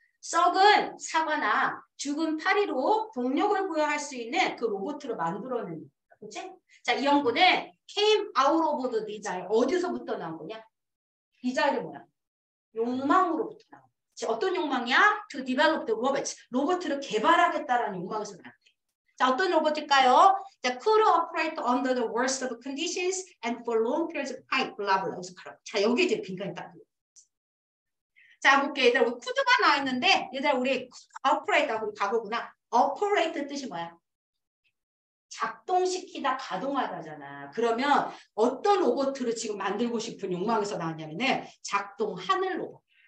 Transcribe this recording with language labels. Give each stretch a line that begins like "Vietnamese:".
Korean: 썩은 사과나 죽은 파리로 동력을 부여할 수 있는 그 로봇을 만들어내는 거지? 자, 이 연구는
English: came out of the desire.
Korean: 어디서부터 나온 거냐? desire 뭐야? 욕망으로부터 나온 거야. 어떤 욕망이야?
English: to develop the robots.
Korean: 로봇을 개발하겠다라는 욕망에서 나온 거야. 자, 어떤 로봇일까요?
English: The crew operate under the worst of conditions and for long periods of time. blah blah.
Korean: 자, 여기 이제 빈칸이 딱 들어. 자, 볼게. 얘들아, 쿠드가 나와 있는데, 얘들아, 우리 operate 하고 가구구나. operate 뜻이 뭐야? 작동시키다, 가동하다잖아. 그러면 어떤 로봇을 지금 만들고 싶은 욕망에서 나왔냐면은 작동하는 로봇.